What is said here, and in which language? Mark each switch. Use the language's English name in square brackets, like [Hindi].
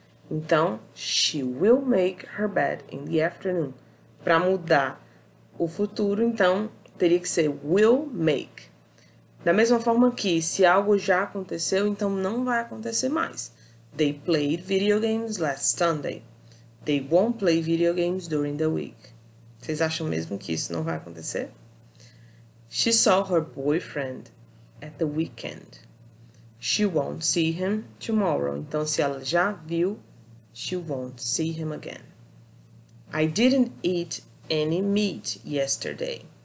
[Portuguese] Então, [English] she will make her bed in the afternoon. [Portuguese] Para mudar o futuro, então, teria que ser will make. Da mesma forma que, se algo já aconteceu, então não vai acontecer mais. [English] They played video games last Sunday. They won't play video games during the week. [Portuguese] Vocês acham mesmo que isso não vai acontecer? [English] She saw her boyfriend at the weekend. She won't see him tomorrow. [Portuguese] Então, se ela já viu, [English] she won't see him again. I didn't eat any meat yesterday.